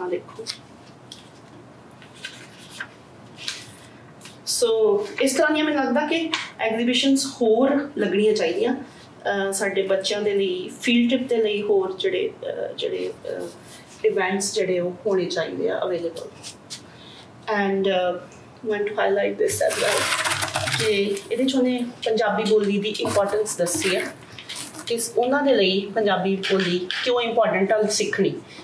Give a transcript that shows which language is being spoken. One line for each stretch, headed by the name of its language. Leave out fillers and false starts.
Punjabi: ਆਹ ਦੇਖੋ, ਸੋ ਇਸ ਤਰ੍ਹਾਂ ਦੀਆਂ ਮੈਨੂੰ ਲੱਗਦਾ ਕਿ ਐਗਜੀਬਿਸ਼ਨਸ ਹੋਰ ਲੱਗਣੀਆਂ ਚਾਹੀਦੀਆਂ ਸਾਡੇ ਬੱਚਿਆਂ ਦੇ ਲਈ, ਫੀਲਡ ਟ੍ਰਿਪ ਦੇ ਲਈ ਹੋਰ ਜਿਹੜੇ ਜਿਹੜੇ ਇਵੈਂਟਸ ਜਿਹੜੇ ਉਹ ਹੋਣੇ ਚਾਹੀਦੇ ਆ available.
English: and want to highlight this as well.
Punjabi: ਕਿ ਇਹਦੇ 'ਚ ਉਹਨੇ ਪੰਜਾਬੀ ਬੋਲੀ ਦੀ ਇੰਪੋਰਟੈਂਸ ਦੱਸੀ ਆ ਕਿ ਉਹਨਾਂ ਦੇ ਲਈ ਪੰਜਾਬੀ ਬੋਲੀ ਕਿਉਂ ਇੰਪੋਰਟੈਂਟ ਆ ਸਿੱਖਣੀ।